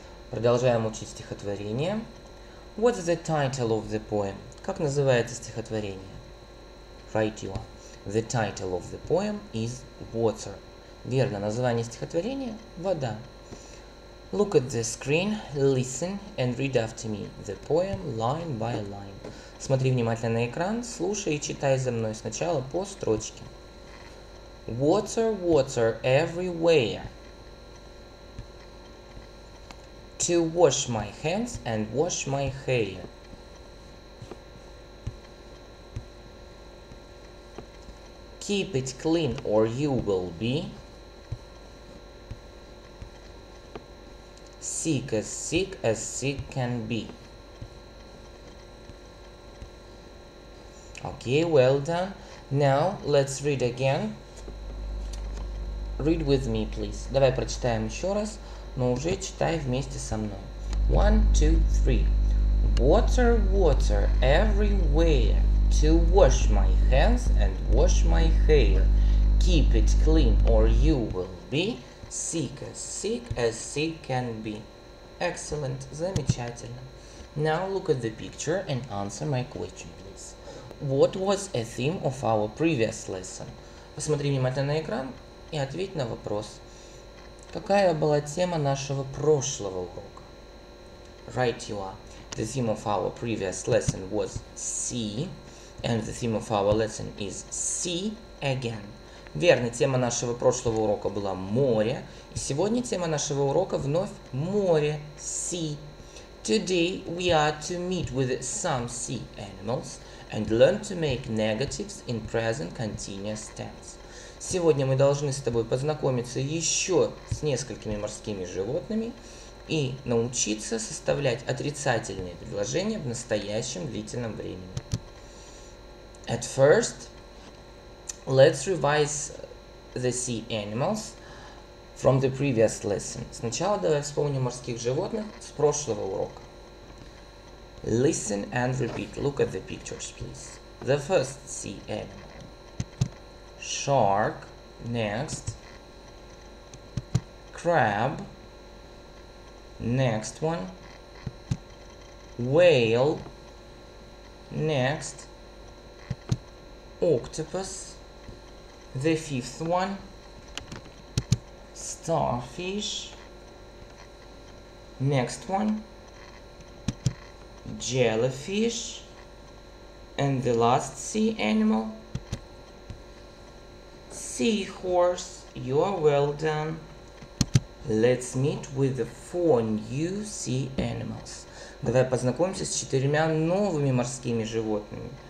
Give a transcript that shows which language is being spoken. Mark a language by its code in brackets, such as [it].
[ru] Продолжаем учить стихотворение. [en] What's the title of the poem? [ru] Как называется стихотворение? [en] Right, you are. The title of the poem is Water. [ru] Верно, название стихотворения – вода. [en] Look at the screen, listen and read after me the poem line by line. [ru] Смотри внимательно на экран, слушай и читай за мной сначала по строчке. [en] Water, water everywhere. To wash my hands and wash my hair. Keep it clean or you will be sick as sick can be. Okay, well done. Now let's read again. Read with me, please. [ru] Давай прочитаем еще раз. Но уже читай вместе со мной. [en] One, two, three. Water, water everywhere. To wash my hands and wash my hair. Keep it clean or you will be sick as sick can be. Excellent. [ru] Замечательно. [en] Now look at the picture and answer my question, please. What was a theme of our previous lesson? [ru] Посмотри внимательно на экран и ответь на вопрос. Какая была тема нашего прошлого урока? [en] Right, you are. The theme of our previous lesson was sea, and the theme of our lesson is sea again. [ru] Верно, тема нашего прошлого урока была море, и сегодня тема нашего урока вновь море, sea. [en] Today we are to meet with some sea animals and learn to make negatives in present continuous tense. [ru] Сегодня мы должны с тобой познакомиться еще с несколькими морскими животными и научиться составлять отрицательные предложения в настоящем длительном времени. [en] At first, let's revise the sea animals from the previous lesson. [ru] Сначала давай вспомним морских животных с прошлого урока. [en] Listen and repeat. Look at the pictures, please. The first sea animal. Shark, next. Crab, next one. Whale, next. Octopus, the fifth one. Starfish, next one. Jellyfish, and the last sea animal. Seahorse, you are well done. Let's meet with the four new sea animals. [ru] Давай познакомимся с четырьмя новыми морскими животными.